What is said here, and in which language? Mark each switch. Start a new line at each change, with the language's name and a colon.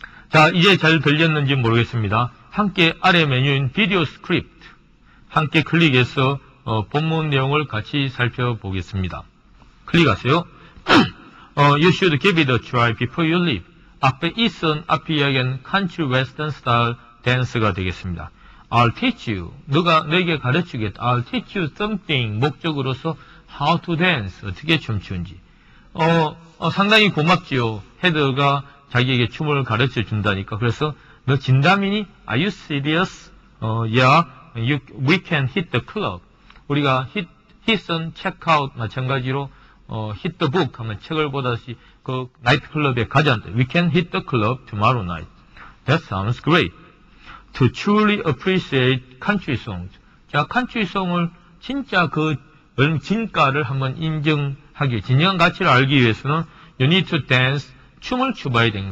Korean: 자, 이제 잘 들렸는지 모르겠습니다. 함께 아래 메뉴인 비디오 스크립트 함께 클릭해서 본문 내용을 같이 살펴보겠습니다. 클릭하세요.
English: you should give it a try before you leave.
Korean: 앞에 is은 앞에 이야기한 country western style dance가 되겠습니다.
English: I'll teach you.
Korean: 누가 너에게 가르치겠다.
English: I'll teach you something.
Korean: 목적으로서
English: how to dance.
Korean: 어떻게 춤추는지. 상당히 고맙지요. 헤드가 자기에게 춤을 가르쳐준다니까. 그래서 너 진담이니?
English: Are you serious? We can hit the club.
Korean: 우리가 hit은 check out 마찬가지로
English: hit the book
Korean: 하면 책을 보다시 그 나이트 클럽에 가자는데
English: we can hit the club tomorrow night. That sounds great. To truly appreciate country songs.
Korean: 자, country song을 진짜 그 진가를 한번 인정하기 진정한 가치를 알기 위해서는
English: you need to dance
Korean: 춤을 추봐야 돼.